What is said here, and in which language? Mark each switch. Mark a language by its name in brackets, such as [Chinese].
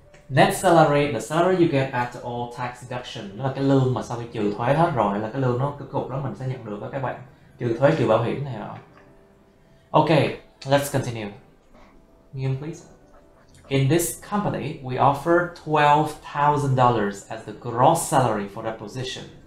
[English] Net salary, the salary you get after all tax deduction. [Vietnamese] Nó là cái lương mà sau khi trừ thuế hết rồi, là cái lương nó cuối cùng đó mình sẽ nhận được đó các bạn. Trừ thuế, trừ bảo hiểm này rồi. [English] Okay, let's continue. Nghiêm please. In this company, we offer $12,000 as the gross salary for that position.